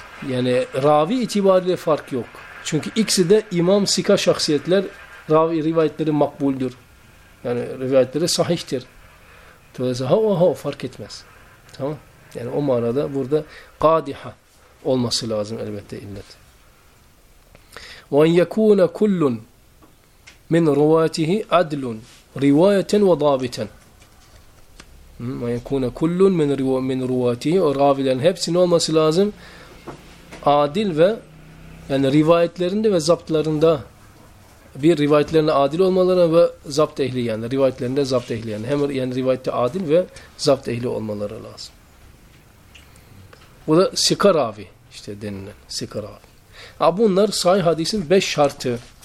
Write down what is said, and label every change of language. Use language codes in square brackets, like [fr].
[tr] Yani ravi itibariyle fark yok. Çünkü ikisi de imam sika şahsiyetler, ravi rivayetleri makbuldür. Yani rivayetleri sahihtir. Dolayısıyla ha o ha fark etmez. Tamam. Yani o manada burada kadiha olması lazım elbette illet. [ar] وَاَنْ يَكُونَ كُلُّنْ مِنْ رُوَاتِهِ عَدْلٌ رِوَايَةً وَضَابِتًا وَيَكُونَ كُلُّنْ مِنْ رُوَاتِهِ [tr] O ravilerin hepsinin olması lazım. Adil ve yani rivayetlerinde ve zaptlarında bir rivayetlerinde adil olmaları ve zapt ehli yani rivayetlerinde zapt ehli yani hem yani rivayette adil ve zapt ehli olmaları lazım. Bu da sika ravi işte denilen sika ravi. Ha bunlar sahih hadisin beş şartı.